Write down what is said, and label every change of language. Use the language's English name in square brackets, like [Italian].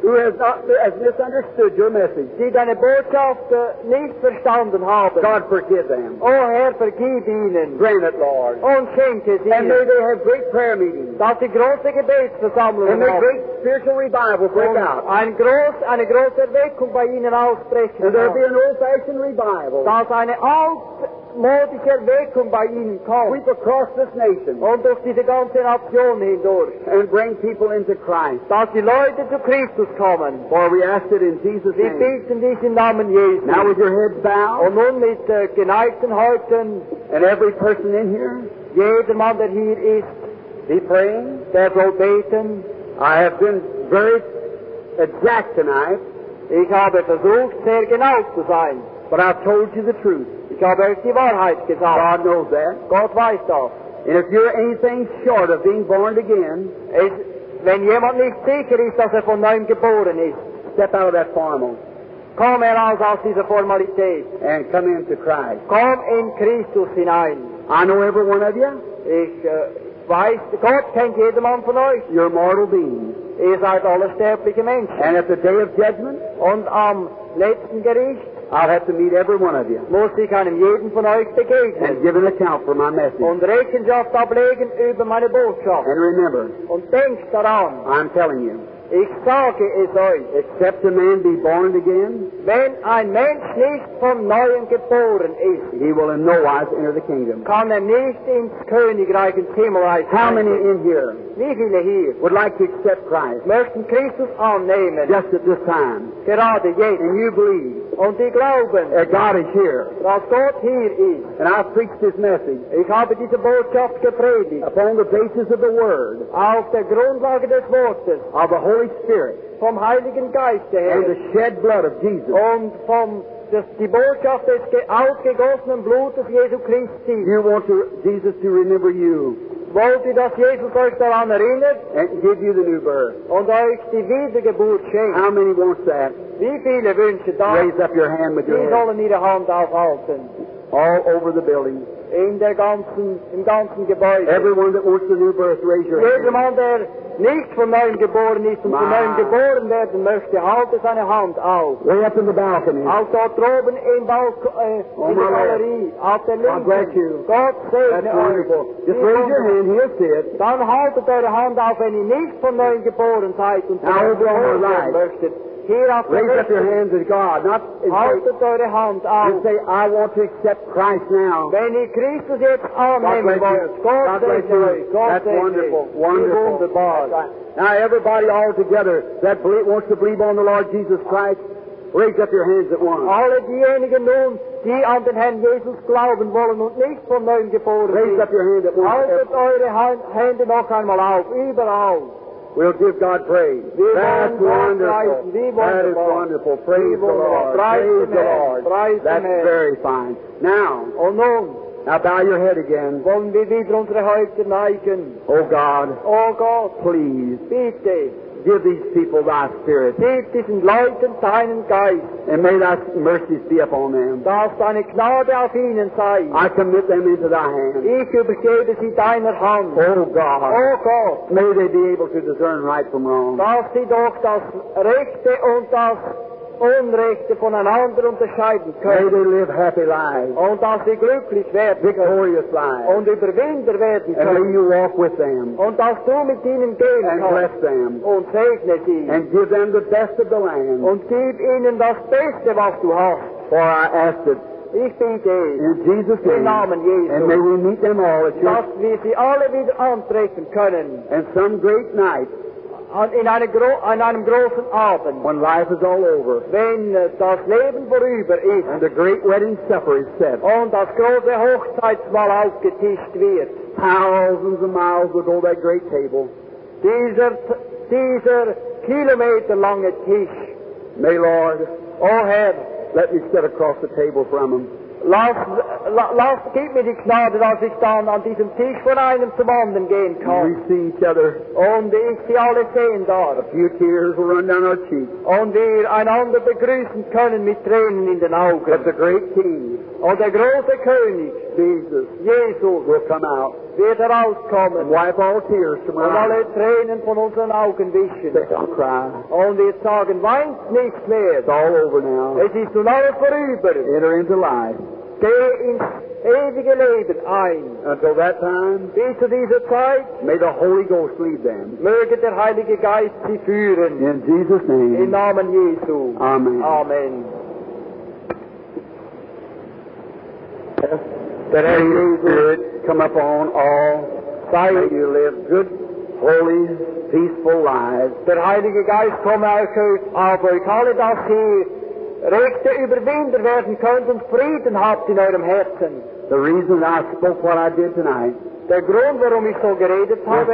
[English] Who has misunderstood your message. [German] Die deine Botschaft nicht verstanden haben. [English] God forgive them. [German] Oh Herr, vergib ihnen. [English] Grant it, Lord. [German] Und schenke sie. [English] And may they have great prayer meetings. [German] Dass sie große Gebetsversammlungen haben. [English] And may great spiritual revival break out. [German] Eine große Erweckung bei ihnen aussprechen. [English] And there be an old-fashioned revival. [German] Dass eine altmodische Erweckung bei ihnen kommt. [English] Sweep across this nation. [German] Und durch diese ganze Nation hindurch. [English] And bring people into Christ. [German] Dass die Leute zu Christus kommen. [English] For we ask it in Jesus' name. [German] Wir bitten dich im Namen Jesu. [English] Now with your heads bowed. [German] Und nun mit geneigten Häupten. [English] And every person in here. [German] Jeder Mann, der hier ist. [English] Be praying. [German] Der soll beten. [English] I have been very exact tonight. [German] Ich habe versucht, sehr genau zu sein. [English] But I've told you the truth. [German] Ich habe euch die Wahrheit gesagt. [English] God knows that. [German] Gott weiß das. [English] And if you're anything short of being born again, [German] wenn jemand nicht sicher ist, dass von neuem geboren ist, [English] step out of that formal. [German] Komm heraus aus dieser Formalität. [English] And come into Christ. [German] Komm in Christus hinein. [English] I know every one of you. [German] Ich weiß, Gott kennt jeden Mann von euch. [English] You're a mortal being. [German] Ihr seid alle sterbliche Menschen. [English] And at the day of judgment, [German] und am letzten Gericht, [English] I'll have to meet every one of you. [German] Muss ich einem jeden von euch begegnen. [English] And give an account for my message. [German] Und Rechenschaft ablegen über meine Botschaft. [English] And remember. [German] Und denk daran. [English] I'm telling you. [German] Ich sage es euch. [English] Except a man be born again. [German] Wenn ein Mensch nicht von neuem geboren ist. [English] He will in no wise enter the kingdom. [German] Kann nicht ins Königreich, ins Himmelreich. [English] How many in here? [German] Wie viele hier? [English] Would like to accept Christ. [German] Möchten Christus annehmen. [English] Just at this time. [German] Gerade jetzt. [English] And you believe. [German] Und die glauben. [English] That God is here. [German] Dass Gott hier ist. [English] And I've preached his message. [German] Ich habe diese Botschaft gepredigt. [English] Upon the basis of the word. [German] Auf der Grundlage des Wortes. [English] Of the Holy Spirit. [German] Vom Heiligen Geist her. [English] And the shed blood of Jesus. [German] Und vom die Botschaft des ausgegossenen Blutes Jesu Christi. [English] You want to, Jesus to remember you. [German] Wollt ihr, dass Jesus euch daran erinnert? [English] And give you the new birth. [German] Und euch die Wiedergeburt schenkt. [English] How many wants that? [German] Wie viele wünschen das? [English] Raise up your hand with your [German] hand. Sie sollen ihre Hand aufhalten. [English] All over the building. [German] In der ganzen, im ganzen Gebäude. [English] Everyone that wants the new birth, raise your hand. [German] Jeder Mann, der nicht von neuem geboren ist und von neuem geboren werden möchte, halte seine Hand auf. [English] Way up in the balcony. [German] Auch dort oben im in der Galerie. Auf der Linken. [English] God bless you. [German] Gott segne euch. [English] That's wonderful. Just raise your hand, he'll see it. [German] Dann haltet eure Hand auf, wenn ihr nicht von neuem geboren seid und von neuem geboren werden möchtet. [English] Raise up your hands as God, not [German] as eure Hand auf. [English] And say, I want to accept Christ now. [German] Wenn ihr Christus jetzt annehmen wollt, Gott segne euch. [English] That's wonderful. Right. Now everybody all together that wants to believe on the Lord Jesus Christ, raise up your hands at once. [German] Alle diejenigen nun, die an den Herrn Jesus glauben wollen und nicht von neuem geboren sind, [English] raise up your hand at once. [German] Haltet eure Hände noch einmal auf, überall. [English] We'll give God praise. That's wonderful. That is wonderful. Praise the Lord. Praise the Lord. That's very fine. Now, oh no. Now bow your head again. [German] Wollen wir wieder unsere Häupter neigen. [English] Oh God. Oh God. Please. [German] Bitte. [English] Give these people thy spirit. [German] Gib diesen Leuten deinen Geist. [English] And may thy mercies be upon them. [German] Dass deine Gnade auf ihnen sei. [English] I commit them into thy hand. [German] Ich übergebe sie deiner Hand. [English] Oh God. Oh God. May they be able to discern right from wrong. [German] Dass sie doch das Rechte und das Unrechte voneinander unterscheiden können. [English] May they live happy lives. [German] Und dass sie glücklich werden [English] victorious lives. [German] Und Überwinder werden [English] and [German] können. [English] And may you walk with them. [German] Und dass du mit ihnen gehen [English] and [German] kannst. [English] Bless them. [German] Und segne sie. [English] And give them the best of the land. [German] Und gib ihnen das Beste, was du hast. [English] For I ask it. [German] Ich bitte [English] in Jesus' name. [German] Im Namen Jesu. [English] And may we meet them all at [German] dass wir sie alle wieder antreten können. [English] And some great night. [German] in einer in einem großen Abend. [English] When life is all over. [German] Wenn das Leben vorüber ist. [English] And the great wedding supper is set. [German] Und das große Hochzeitsmahl aufgetischt wird. [English] Thousands of miles with all that great table. [German] Dieser Kilometer lange Tisch. [English] May Lord. [German] Oh Herr. [English] Let me sit across the table from him. [German] Lass gib mir die Gnade, dass ich dann an diesem Tisch von einem zum anderen gehen kann. [English] We see each other. [German] Und ich sie alle sehen dort. [English] A few tears will run down our cheeks. [German] Und wir einander begrüßen können mit Tränen in den Augen. [English] But the great King. [German] Und der große König. [English] Jesus. Will come out. [German] Wird herauskommen. [English] And wipe all tears from our eyes. [German] Und alle Tränen von unseren Augen wischen. [English] They don't cry. [German] Und wir sagen, weint nicht mehr. [English] It's all over now. [German] Es ist nun alles vorüber. [English] Enter into life. [German] Geh ins ewige Leben ein. [English] Until that time, [German] bis zu dieser Zeit, [English] may the Holy Ghost lead them. [German] Möge der Heilige Geist sie führen. [English] In Jesus' name. [German] Im Namen Jesu. [English] Amen. [German] Amen. [English] That as you Spirit come upon all, [German] sei, [English] may you live good, holy, peaceful lives. [German] Der Heilige Geist komme auch auf euch alle, dass ihr rechte Überwinder werden könnt und Frieden habt in eurem Herzen. [English] The reason I spoke what I did tonight, [German] der Grund, warum ich so geredet habe,